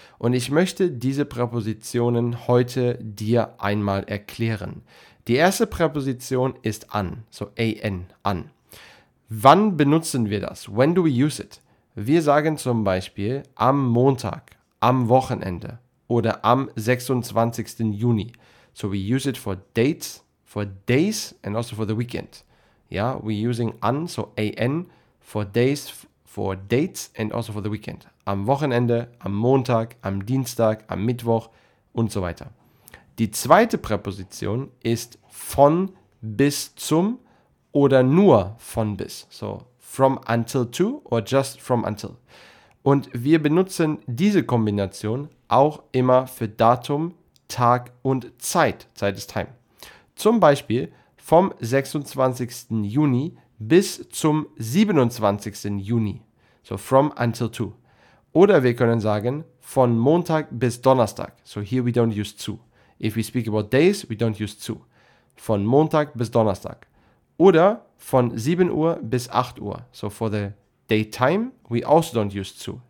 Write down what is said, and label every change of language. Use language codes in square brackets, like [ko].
[de] Und ich möchte diese Präpositionen heute dir einmal erklären. Die erste Präposition ist an, so an, an. Wann benutzen wir das? [en] When do we use it? [de] Wir sagen zum Beispiel am Montag, am Wochenende oder am 26. Juni. [en] So we use it for dates, for days and also for the weekend. Ja, we're using an, so an, for days, for dates and also for the weekend. [de] Am Wochenende, am Montag, am Dienstag, am Mittwoch und so weiter. Die zweite Präposition ist von bis zum oder nur von bis. [en] So from until to or just from until. [de] Und wir benutzen diese Kombination auch immer für Datum, Tag und Zeit. Zeit ist time. Zum Beispiel vom 26. Juni bis zum 27. Juni. [en] So from until to. [de] Oder wir können sagen von Montag bis Donnerstag. [en] So here we don't use to. If we speak about days, we don't use to. [de] Von Montag bis Donnerstag. Oder von 7 Uhr bis 8 Uhr. [en] So for the daytime, we also don't use to.